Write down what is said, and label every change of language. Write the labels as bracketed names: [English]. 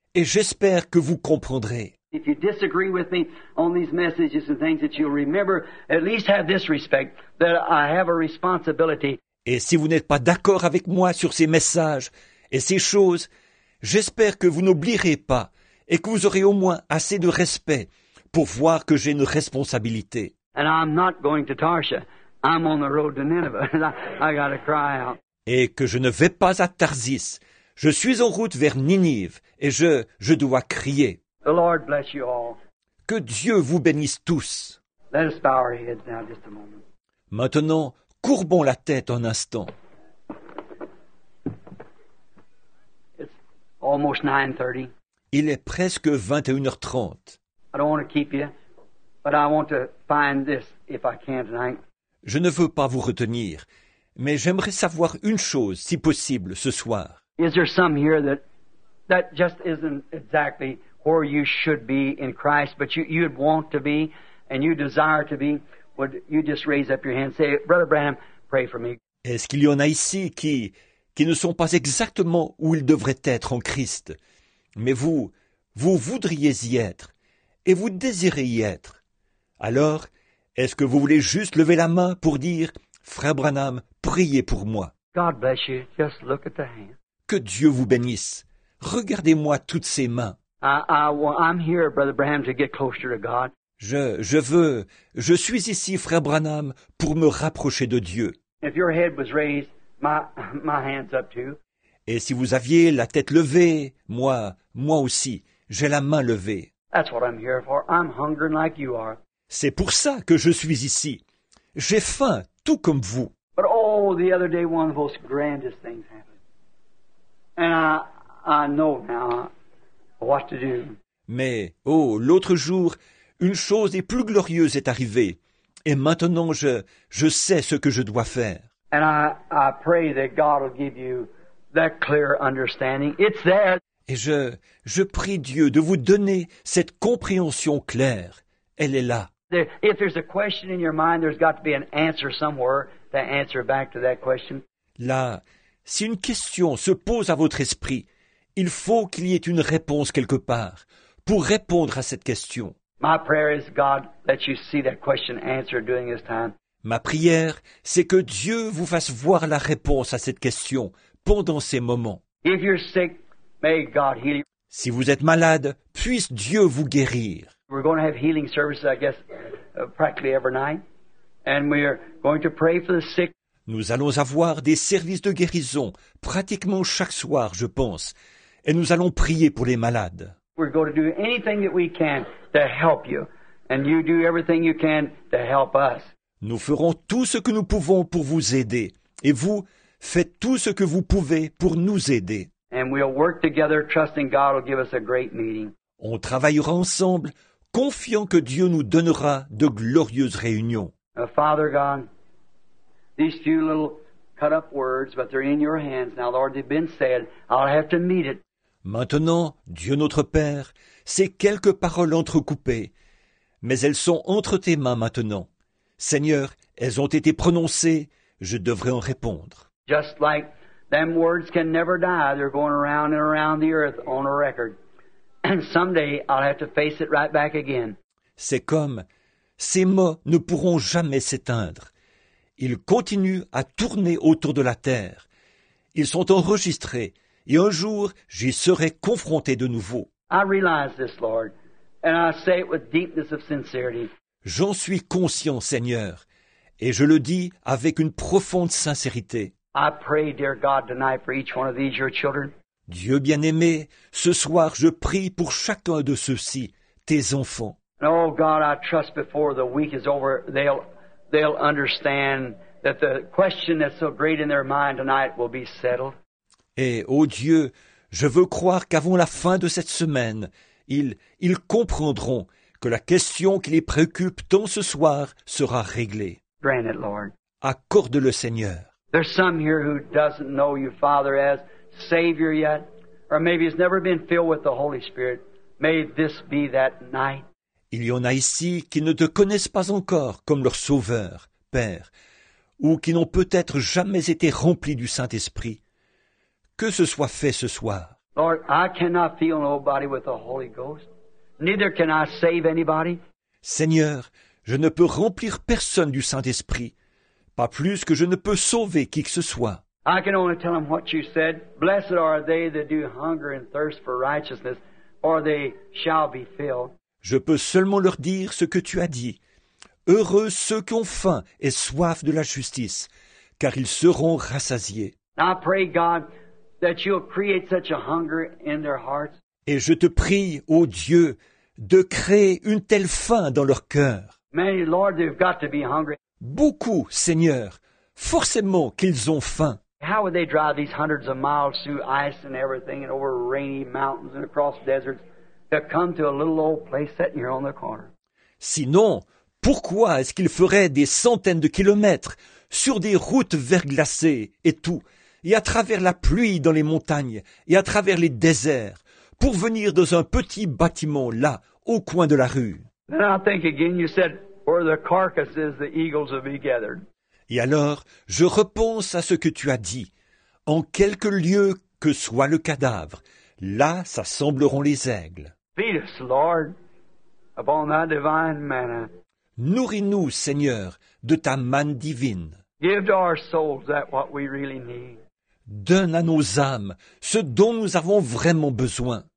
[French] Et j'espère que vous comprendrez. [English] If you disagree with me on these messages and things that you'll remember, at least have this respect, that I have a responsibility. [French] Et si vous n'êtes pas d'accord avec moi sur ces messages et ces choses, j'espère que vous n'oublierez pas et que vous aurez au moins assez de respect pour voir que j'ai une responsabilité. [English] And I'm not going to Tarsha. I'm on the road to Nineveh. I gotta cry out. [French] Et que je ne vais pas à Tarsis. Je suis en route vers Ninive et je dois crier. [English] The Lord bless you all. [French] Que Dieu vous bénisse tous. [English] Let us bow our heads now, just a moment. [French] Maintenant, courbons la tête un instant. [English] It's almost 9:30. [French] Il est presque 21h30. [English] I don't want to keep you, but I want to find this if I can tonight. [French] Je ne veux pas vous retenir, mais j'aimerais savoir une chose, si possible, ce soir. [English] Is there some here that just isn't exactly where you should be in Christ, but you'd want to be and you desire to be? Would you just raise up your hand and say, Brother Branham, pray for me. [French] Est-ce qu'il y en a ici qui ne sont pas exactement où ils devraient être en Christ, mais vous voudriez y être et vous désirez y être? Alors, est-ce que vous voulez juste lever la main pour dire, Frère Branham, priez pour moi? [English] God bless you. Just look at the hand. [French] Que Dieu vous bénisse. Regardez-moi toutes ces mains. [English] I'm here, Brother Branham, to get closer to God. [French] Je suis ici, Frère Branham, pour me rapprocher de Dieu. [English] If your head was raised, my hand's up too. [French] Et si vous aviez la tête levée, moi aussi, j'ai la main levée. [English] That's what I'm here for. I'm hungering like you are. [French] C'est pour ça que je suis ici. J'ai faim, tout comme vous. [English] But oh, the other day, one of those grandest things happened. And I know now what to do. [French] Mais, oh, l'autre jour, une chose des plus glorieuses est arrivée. Et maintenant, je sais ce que je dois faire. [English] And I pray that God will give you that clear understanding. It's there. [French] Et je prie Dieu de vous donner cette compréhension claire. Elle est là. [English] If there's a question in your mind, there's got to be an answer somewhere to answer back to that question. [French] Là, si une question se pose à votre esprit, il faut qu'il y ait une réponse quelque part pour répondre à cette question. [English] My prayer is God let you see that question answered during this time. [French] Ma prière, c'est que Dieu vous fasse voir la réponse à cette question pendant ces moments. [English] If you're sick, may God heal you. [French] Si vous êtes malade, puisse Dieu vous guérir. [English] We're going to have healing services, I guess, practically every night. And we're going to pray for the sick. [French] Nous allons avoir des services de guérison pratiquement chaque soir, je pense. Et nous allons prier pour les malades. [English] We're going to do anything that we can to help you. And you do everything you can to help us. [French] Nous ferons tout ce que nous pouvons pour vous aider. Et vous, faites tout ce que vous pouvez pour nous aider. [English] And we'll work together, trusting God will give us a great meeting. [French] On travaillera ensemble, confiant que Dieu nous donnera de glorieuses réunions. [English] Father God, these few little cut up words, but they're in your hands now, Lord, they've been said, I'll have to meet it. [French] Maintenant, Dieu notre Père, ces quelques paroles entrecoupées, mais elles sont entre tes mains maintenant. Seigneur, elles ont été prononcées, je devrais en répondre. [English] Just like them words can never die, they're going around and around the earth on a record. And someday I'll have to face it right back again. [French] C'est comme ces mots ne pourront jamais s'éteindre. Ils continuent à tourner autour de la terre. Ils sont enregistrés et un jour j'y serai confronté de nouveau. [English] I realize this, Lord, and I say it with deepness of sincerity. [French] J'en suis conscient, Seigneur, et je le dis avec une profonde sincérité. [English] I pray, dear God, tonight for each one of these your children. [French] Dieu bien-aimé, ce soir je prie pour chacun de ceux-ci, tes enfants. [English] Oh God, I trust before the week is over, they'll understand that the question that's so great in their mind tonight will be settled. [French] Et oh Dieu, je veux croire qu'avant la fin de cette semaine, ils comprendront que la question qui les préoccupe tant ce soir sera réglée. [English] Grant it, Lord. [French] Accorde-le, Seigneur. [English] There's some here who doesn't know you, Father, as Savior yet, or maybe he's never been filled with the Holy Spirit. May this be that night. [French] Il y en a ici qui ne te connaissent pas encore comme leur Sauveur, Père, ou qui n'ont peut-être jamais été remplis du Saint-Esprit. Que ce soit fait ce soir. [English] Lord, I cannot fill nobody with the Holy Ghost. Neither can I save anybody. [French] Seigneur, je ne peux remplir personne du Saint-Esprit, pas plus que je ne peux sauver qui que ce soit. [English] I can only tell them what you said. Blessed are they that do hunger and thirst for righteousness, or they shall be filled. [French] Je peux seulement leur dire ce que tu as dit. Heureux ceux qui ont faim et soif de la justice, car ils seront rassasiés. [English] I pray, God, that you'll create such a hunger in their hearts. [French] Et je te prie, ô Dieu, de créer une telle faim dans leur cœur. [English] Many, Lord, they've got to be hungry. [French] Beaucoup, Seigneur, forcément qu'ils ont faim. [English] How would they drive these hundreds of miles through ice and everything and over rainy mountains and across deserts to come to a little old place sitting here on the corner? [French] Sinon, pourquoi est-ce qu'ils feraient des centaines de kilomètres sur des routes verglacées et tout, et à travers la pluie dans les montagnes et à travers les déserts, pour venir dans un petit bâtiment là, au coin de la rue? [English] Then I think again, you said, where the carcasses, the eagles will be gathered. [French] Et alors, je repense à ce que tu as dit. En quelque lieu que soit le cadavre, là s'assembleront les aigles. [English] Feed us, Lord, upon thy divine manna. [French] Nourris-nous, Seigneur, de ta manne divine. [English] Give to our souls that what we really need. [French] Donne à nos âmes ce dont nous avons vraiment besoin.